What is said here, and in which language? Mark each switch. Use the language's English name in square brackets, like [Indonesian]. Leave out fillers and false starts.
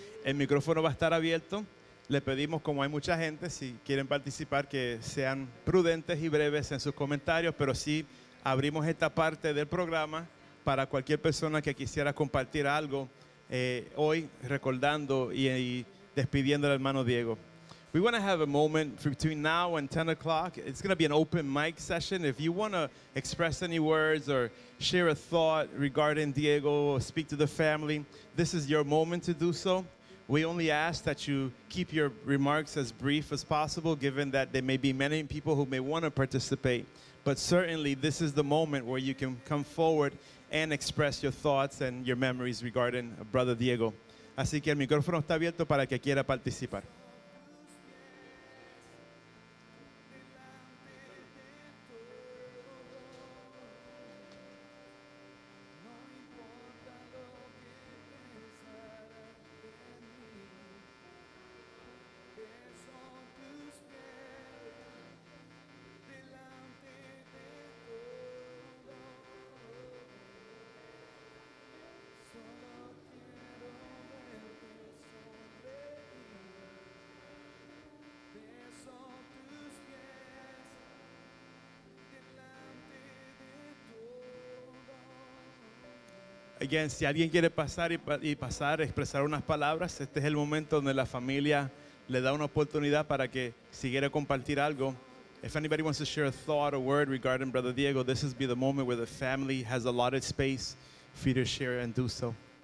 [Spanish] El micrófono va a estar abierto. Le pedimos, como hay mucha gente, si quieren participar, que sean prudentes y breves en sus comentarios, pero sí abrimos esta parte del programa para cualquier persona que quisiera compartir algo hoy, recordando y despidiendo al hermano Diego. [English] We want to have a moment between now and 10 o'clock. It's going to be an open mic session. If you want to express any words or share a thought regarding Diego or speak to the family, this is your moment to do so. We only ask that you keep your remarks as brief as possible, given that there may be many people who may want to participate. But certainly, this is the moment where you can come forward and express your thoughts and your memories regarding Brother Diego. [Spanish] Así que el micrófono está abierto para que quiera participar. Again, si alguien quiere pasar y pasar, expresar unas palabras, este es el momento donde la familia le da una oportunidad para que siguiera compartir algo. [English] If anybody wants to share a thought or word regarding Brother Diego, this is be the moment where the family has allotted space for you to share and do so.